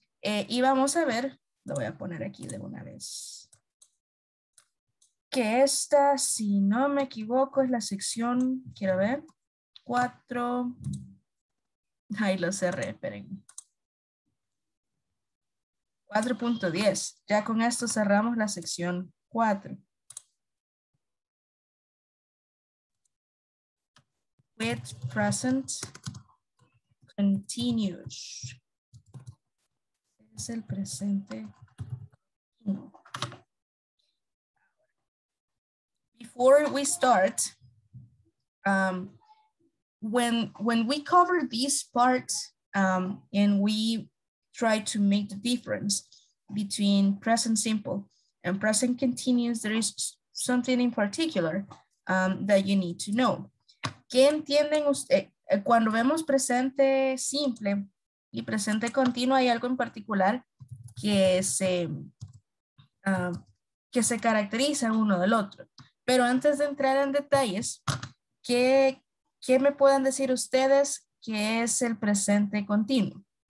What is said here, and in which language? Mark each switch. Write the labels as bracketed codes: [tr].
[es] Y vamos a ver, lo voy a poner aquí de una vez, que esta, si no me equivoco, es la sección, quiero ver, 4, ahí lo cerré, esperen, 4.10, ya con esto cerramos la sección 4. [en] With present continuous. [es] Es el presente. [en] Before we start, when we cover this part and we try to make the difference between present simple and present continuous, there is something in particular that you need to know. [es] ¿Qué entienden ustedes? Cuando vemos presente simple y presente continuo, hay algo en particular que se caracteriza uno del otro. Pero antes de entrar en detalles, ¿qué me pueden decir ustedes que es el presente continuo?